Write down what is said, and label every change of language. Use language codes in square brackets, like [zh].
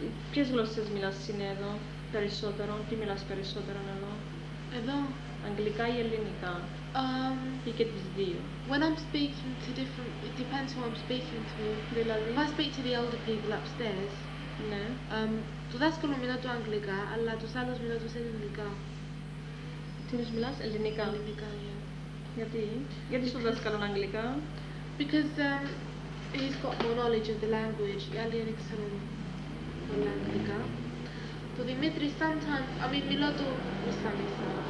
[el] Ποιες γλώσσες μιλάς είναι εδώ περισσότερο, τι μιλάς περισσότερο εδώ? Εδώ. Αγγλικά ή ελληνικά. Ή και τις δύο. [en] When I'm speaking to different, it depends who I'm speaking to. [el] Δηλαδή. [en] If I speak to the older people upstairs. [el] Ναι. Το δάσκολο μιλά το αγγλικά, αλλά τους άλλους μιλά τους ελληνικά. Τι τους μιλάς, ελληνικά. Ελληνικά, yeah. Γιατί? Γιατί στο δάσκαλο αγγλικά. [en] Because he's got more knowledge of the language. [el] Οι άλλοι δεν ξέρουν πολλά αγγλικά. Το Δημήτρη, [en] sometimes, I mean, [el] μιλώ του μισά μισά.